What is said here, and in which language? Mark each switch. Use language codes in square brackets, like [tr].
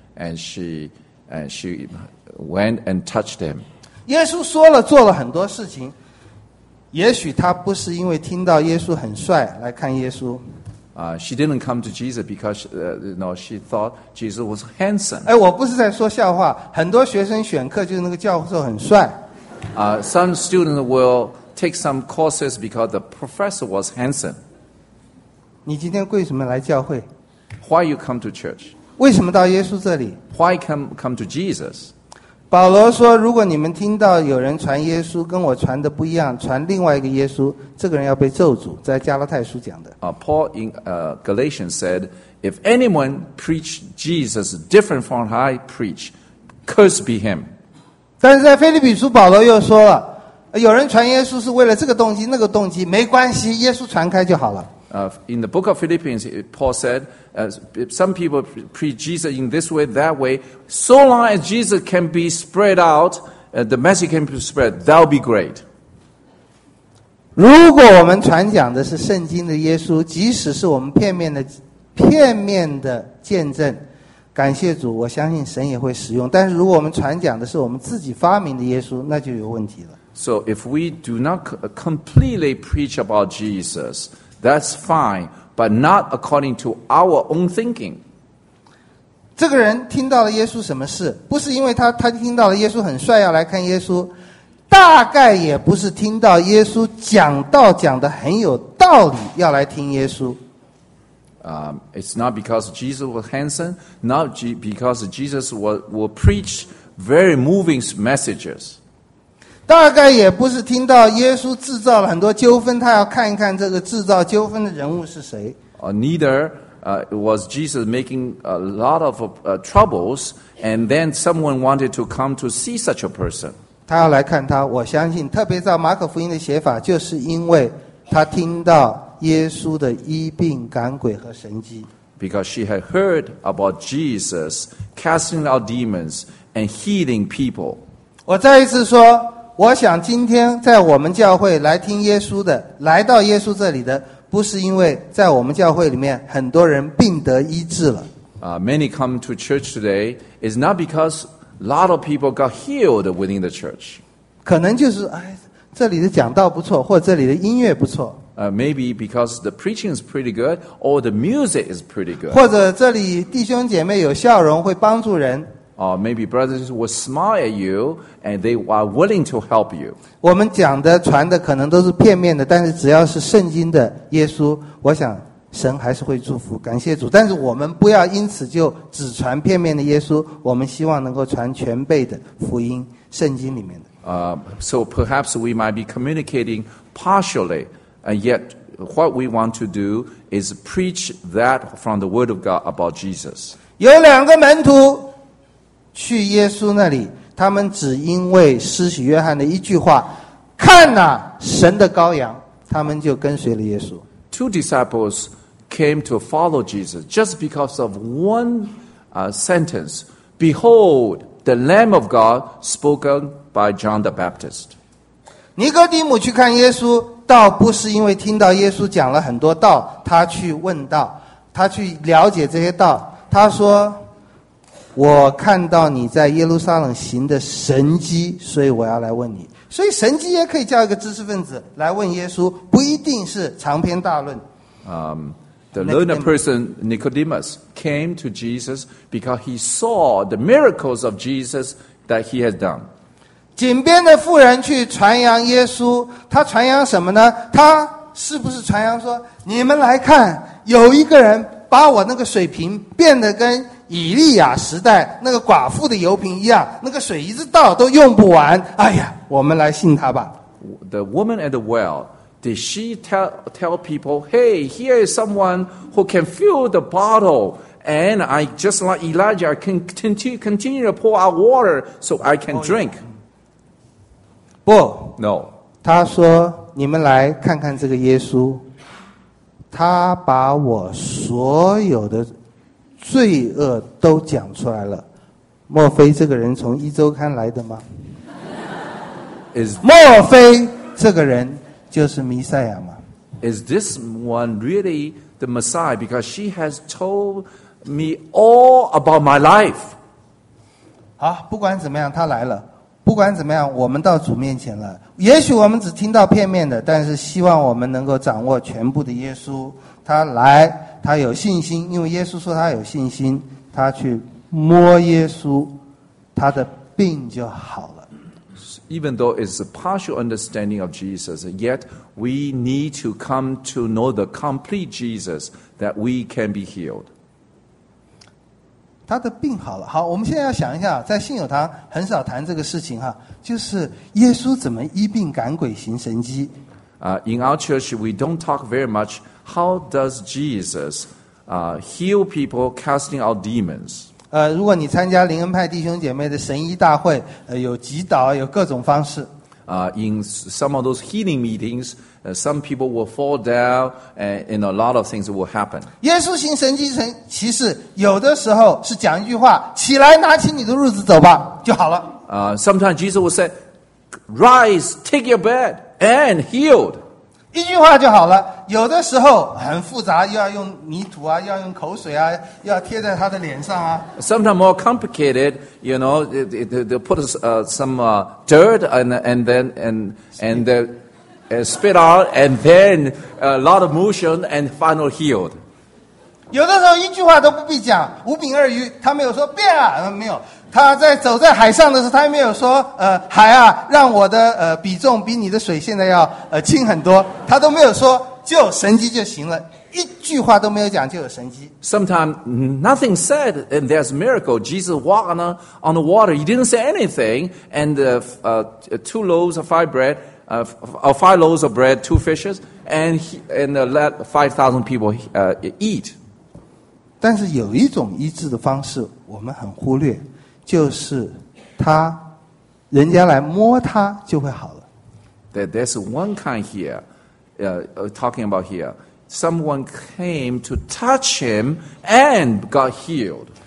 [en] And she went and touched him. [zh] 耶稣说了做了很多事情，也许他不是因为听到耶稣很帅来看耶稣。 [en] She didn't come to Jesus because she thought Jesus was handsome. [zh] 哎，我不是在说笑话，很多学生选课就是那个教授很帅。 [en] Some students will take some courses because the professor was handsome. [zh] 你今天为什么来教会？ [en] Why you come to church? [zh] 为什么到耶稣这里？ [en] Why come to Jesus? [zh] 保罗说，如果你们听到有人传耶稣跟我传的不一样，传另外一个耶稣，这个人要被咒诅，在加拉太书讲的。 [en] Paul in Galatians said, if anyone preach Jesus different from how I preach, curse be him. [zh] 但是在腓立比书保罗又说了，有人传耶稣是为了这个动机那个动机，没关系，耶稣传开就好了。 [en] In the book of Philippians, Paul said, some people preach Jesus in this way, that way. So long as Jesus can be spread out, the message can be spread, that would be great. [zh] 如果我们传讲的是圣经的耶稣，即使是我们片面的见证，感谢主，我相信神也会使用。但是如果我们传讲的是我们自己发明的耶稣，那就有问题了。 [en] So if we do not completely preach about Jesus... That's fine, but not according to our own thinking. [zh] 这个人听到了耶稣什么事？不是因为他听到了耶稣很帅要来看耶稣，大概也不是听到耶稣讲道讲得很有道理要来听耶稣。 [en] It's not because Jesus was handsome, not because Jesus will preach very moving messages. [zh] 大概也不是听到耶稣制造了很多纠纷，他要看一看这个制造纠纷的人物是谁。 [en] Neither was Jesus making a lot of troubles, and then someone wanted to come to see such a person. [zh] 他要来看他，我相信，特别照马可福音的写法，就是因为她听到耶稣的医病赶鬼和神迹。 [en] Because she had heard about Jesus casting out demons and healing people. [zh] 我再一次说，我想今天在我们教会来听耶稣的，来到耶稣这里的，不是因为在我们教会里面很多人病得医治了。 [en] Many come to church today is not because a lot of people got healed within the church. [zh] 可能就是哎，这里的讲道不错，或者这里的音乐不错。 [en] Maybe because the preaching is pretty good or the music is pretty good. [zh] 或者这里弟兄姐妹有笑容会帮助人。 [en] Maybe brothers will smile at you and they are willing to help you. [zh] 我们讲的传的可能都是片面的，但是只要是圣经的耶稣，我想神还是会祝福，感谢主。但是我们不要因此就只传片面的耶稣，我们希望能够传全备的福音，圣经里面的。 [en] So perhaps we might be communicating partially, and yet what we want to do is preach that from the Word of God about Jesus. [zh] 有两个门徒去耶稣那里，他们只因为施洗约翰的一句话，看哪，神的羔羊，他们就跟随了耶稣。 [en] Two disciples came to follow Jesus just because of one sentence. Behold, the Lamb of God spoken by John the Baptist. [zh] 尼哥底母去看耶稣，倒不是因为听到耶稣讲了很多道，他去问道，他去了解这些道，他说，我看到你在耶路撒冷行的神迹，所以我要来问你。所以神迹也可以叫一个知识分子来问耶稣，不一定是长篇大论。 [en] The learned person Nicodemus came to Jesus because he saw the miracles of Jesus that he has done. [zh] 井边的妇人去传扬耶稣，他传扬什么呢？他是不是传扬说，你们来看，有一个人把我那个水瓶变得跟以利亚时代那个寡妇的油瓶一样，那个水一直倒都用不完。哎呀，我们来信他吧。 [en] The woman at the well, did she tell people, "Hey, here is someone who can fill the bottle, and I just like Elijah can continue to pour out water so I can drink"? [zh] 不 [en] ，No. [zh] 他说：“你们来看看这个耶稣，他把我所有的罪恶都讲出来了，莫非这个人从一周刊来的吗？莫非这个人就是弥赛亚吗 [en] ？Is this one really the Messiah? Because she has told me all about my life. [zh] 好，不管怎么样，他来了。不管怎么样，我们到主面前了。也许我们只听到片面的，但是希望我们能够掌握全部的耶稣。他来，他有信心，因为耶稣说他有信心，他去摸耶稣，他的病就好了。 [en] Even though it's a partial understanding of Jesus, yet we need to come to know the complete Jesus that we can be healed. [zh] 他的病好了。好，我们现在要想一下，在信友堂很少谈这个事情哈，就是耶稣怎么医病赶鬼行神迹。 [en] In our church, we don't talk very much. How does Jesus heal people casting out demons? [zh] 如果你参加灵恩派弟兄姐妹的神医大会，有祈祷，有各种方式。 [en] In some of those healing meetings, some people will fall down, and a lot of things will happen. [zh] 耶稣行神迹神奇事，有的时候是讲一句话，起来，拿起你的褥子走吧，就好了。 [en] Sometimes Jesus will say, "Rise, take your bed." And healed. [zh] 一句话就好了。有的时候很复杂，又要用泥土啊，又要用口水啊，又要贴在他的脸上啊。 [en] Sometimes more complicated, you know, they put some dirt and then spit out, and then a lot of motion, and final healed. [zh] 有的时候一句话都不必讲，五饼二鱼，他没有说变啊，没有。他在走在海上的时候，他也没有说海啊，让我的比重比你的水现在要轻很多，他都没有说，就神迹就行了，一句话都没有讲就有神迹。 [en] Sometimes nothing said and there's a miracle. Jesus walked on the water. He didn't say anything and two loaves of five bread, five loaves of bread, two fishes, and let 5,000 people eat. [zh] 但是有一种医治的方式我们很忽略，就是他，人家来摸他就会好了。 [en] There's one kind here, talking about here. Someone came to touch him and got healed.